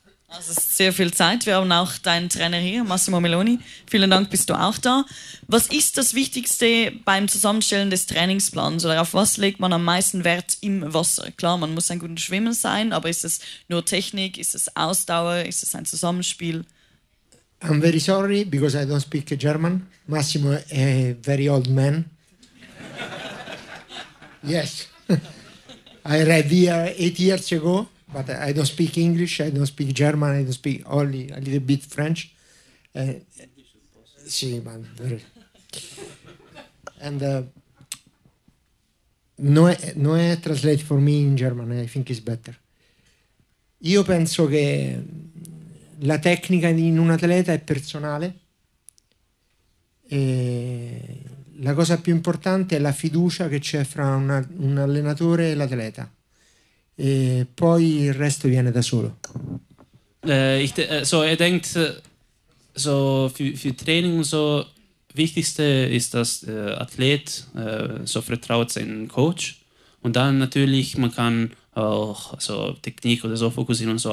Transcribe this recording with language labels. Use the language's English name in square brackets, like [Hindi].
[German] Also es ist sehr viel Zeit, wir haben auch deinen Trainer hier, Massimo Meloni, vielen Dank, bist du auch da. Was ist das Wichtigste beim Zusammenstellen des Trainingsplans oder auf was legt man am meisten Wert im Wasser? Klar, man muss ein guter Schwimmer sein, aber ist es nur Technik, ist es Ausdauer, ist es ein Zusammenspiel? [English] I'm very sorry, because I don't speak German. Massimo is a very old man. Yes, I read here 8 years ago. But I don't speak English, I don't speak German, I don't speak only a little bit French. [Italian] Sì, ma... [English] And Noè translate for me in German, I think it's better. [Italian] Io penso che la tecnica in un atleta è personale. E la cosa più importante è la fiducia che c'è fra un allenatore e l'atleta. E poi il resto viene da solo. [German] Er denkt, so für Training und so, wichtigste ist, dass der Athlet so vertraut seinen Coach. Und dann natürlich, man kann auch so Technik oder so fokussieren und so.